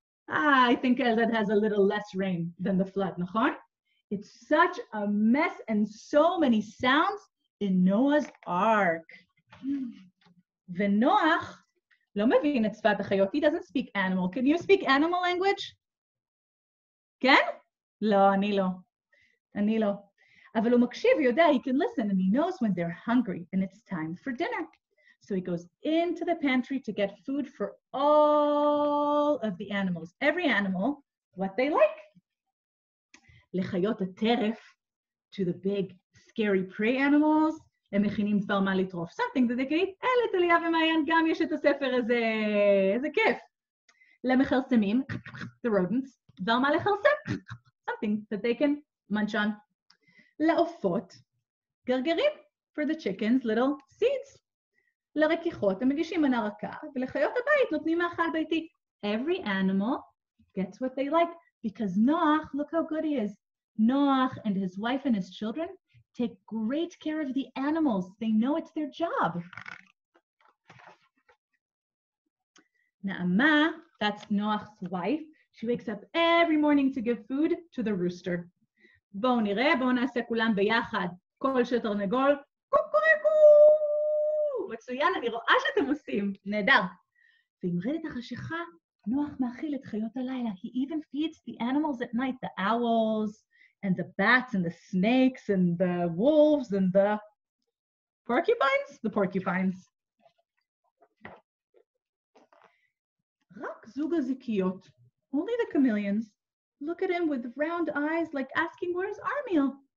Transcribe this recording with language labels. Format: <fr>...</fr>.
<en>Ah, I think Eldad has a little less rain than the flood,</en> <he>נכון?</he> <en>It's such a mess and so many sounds in Noah's Ark.</en> <he>ונוח לא מבין את שפת החיות.</he> <en>He doesn't speak animal. Can you speak animal language?</en> <he>כן? לא, אני לא. אני לא. אבל הוא מקשיב, יודע,</he> <en>he can listen, and he knows when they're hungry, and it's time for dinner. So he goes into the pantry to get food for all of the animals. Every animal, what they like.</en> <he>לחיות הטרף,</he> <en>to the big, scary prey animals,</en> <he>הם מכינים פרמה לטרוף.</he> <en>Something that they can eat.</en> <he>אלה, תליה ומעיין, גם יש את הספר הזה. איזה כיף. למחרסמים,</he> <en>the rodents,</en> <he>פרמה לחרסם.</he> <en>Something that they can munch on.</en> <he>לעופות, גרגרים,</he> <en>for the chickens, little seeds.</en> <he>לרקיחות, הם מגישים מנה רכה, ולחיות הבית נותנים מאכל ביתי.</he> <en>Every animal gets what they like, because Noach, look how good he is. Noach and his wife and his children take great care of the animals. They know it's their job. Na'ama, that's Noach's wife. She wakes up every morning to give food to the rooster.</en> <he>בואו נראה, בואו נעשה כולם ביחד. כל שתרנגול, קוקוריקו! מצוין, אני רואה שאתם עושים. נהדר. ועם רדת החשיכה, נוח מאכיל את חיות הלילה.</he> <en>He even feeds the animals at night, the owls, and the bats, and the snakes, and the wolves, and the porcupines? The porcupines.</en> <he>רק זוג הזיקיות.</he> <en>Only the chameleons. Look at him with round eyes, like asking, where's our meal?</en>